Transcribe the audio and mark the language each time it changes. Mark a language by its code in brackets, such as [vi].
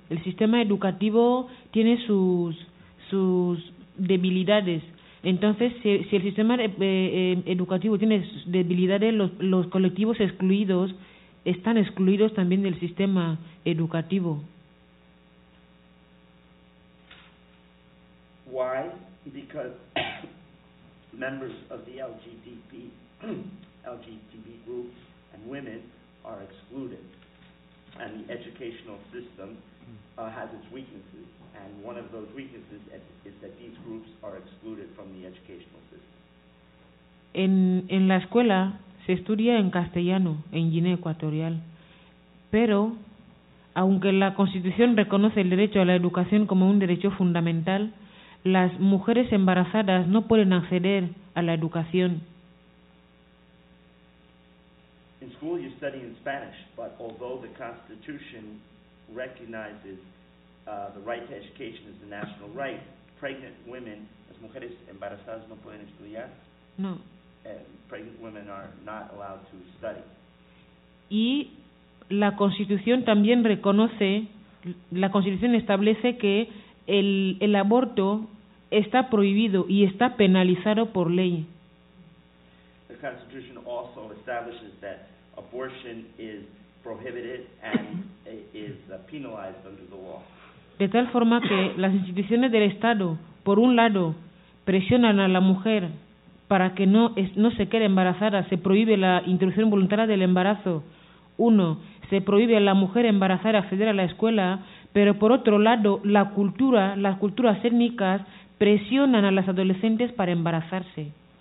[es] El sistema educativo tiene sus debilidades. Entonces, si el sistema educativo tiene debilidades, los colectivos excluidos están excluidos también del sistema educativo. [en] Why? Because members of the LGBT group and women are excluded, and the educational system has its weaknesses. And one of those weaknesses is that these groups are excluded from the educational system. [es] En la escuela se estudia en castellano, en Guinea Ecuatorial, pero aunque la Constitución reconoce el derecho a la educación como un derecho fundamental, las mujeres embarazadas no pueden acceder a la educación. [en] In school you study in Spanish, but although the Constitution recognizes the right to education as a national right, pregnant women, [es] las mujeres embarazadas no pueden estudiar. [en] No. Pregnant women are not allowed to study. [es] Y la Constitución también reconoce, la Constitución establece que el aborto está prohibido y está penalizado por ley. [en] The Constitution also establishes that abortion is prohibited and is penalized under the law. [es] De tal forma que las instituciones del Estado, por un lado, presionan a la mujer para que no se quede embarazada, se prohíbe la interrupción voluntaria del embarazo, uno, se prohíbe a la mujer embarazada acceder a la escuela, pero por otro lado, la cultura, las culturas étnicas presionan a las adolescentes para embarazarse.